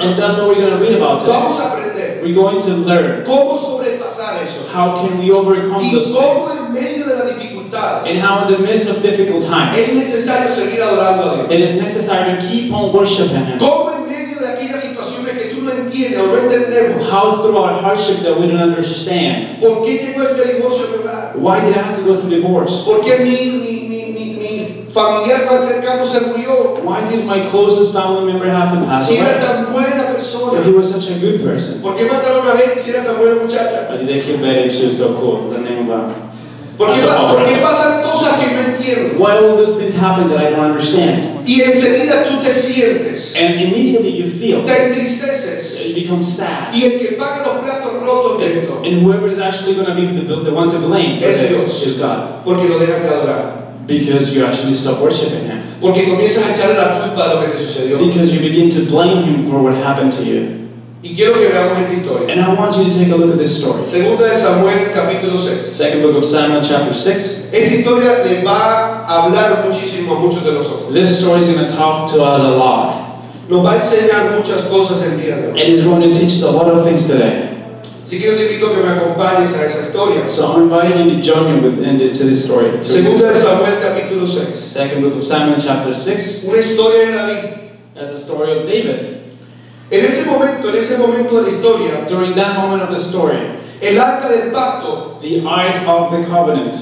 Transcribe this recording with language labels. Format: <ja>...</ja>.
<en>And that's what we're going to read about today.</en> <es>Vamos a aprender.</es> <en>We're going to learn.</en> <es>Cómo sobrepasar eso.</es> <en>How can we overcome</en> <es>y</es> <en>those</en> <es>cómo</es> <en>things. And how in the midst of difficult times</en> <es>es necesario seguir adorando a Dios.</es> <en>It is necessary to keep on worshiping Him.</en> <es>Como en medio de aquellas situaciones que tú no entiendes o no entendemos.</es> <en>How through our hardship that we don't understand.</en> <es>¿Por qué tengo este divorcio, verdad?</es> <en>Why did I have to go through divorce?</en> <es>¿Por qué mi familiar más cercano se murió?</es> <en>Why did my closest family member have to pass</en> <es>si</es> <en>away?</en> <es>Si era tan buena persona.</es> <en>But he was such a good person.</en> <es>¿Por qué mataron a Betty si era tan buena muchacha?</es> <en>I did they kill Betty if she was so cool? Is that name of her?</en> <es>Porque pasan cosas que no entiendo.</es> <en>Why all those things happen that I don't understand?</en> <es>Y enseguida tú te sientes.</es> <en>And immediately you feel.</en> <es>Te entristeces.</es> <en>You become sad.</en> <es>Y el que paga los platos rotos dentro.</es> <en>And whoever is actually going to be the one to blame for</en> <es>es</es> <en>this</en> <es>Dios.</es> <en>Is God.</en> <es>Porque lo dejan de adorar.</es> <en>Because you actually stop worshiping Him.</en> <es>Porque comienzas a echar la culpa a lo que te sucedió.</es> <en>Because you begin to blame Him for what happened to you.</en> <es>Y quiero que veamos esta historia.</es> <en>And I want you to take a look at this story.</en> <es>Segunda de Samuel, capítulo 6.</es> <en>Second book of Samuel, chapter 6.</en> <es>Esta historia le va a hablar muchísimo a muchos de nosotros.</es> <en>This story is going to talk to us a lot.</en> <es>Nos va a enseñar muchas cosas el día de hoy.</es> <en>And it's going to teach us a lot of things today.</en> <es>Si quiero te invito a que me acompañes a esa historia.</es> <en>So I'm inviting you to join me with, and to this story.</en> <es>Segunda de Samuel, capítulo 6.</es> <en>Second book of Samuel, chapter 6.</en> <es>Una historia de David.</es> <en>That's a story of David.</en> <es>En ese momento de la historia,</es> <en>during that moment of the story,</en> <es>el arca del pacto,</es> <en>the ark of the covenant,</en>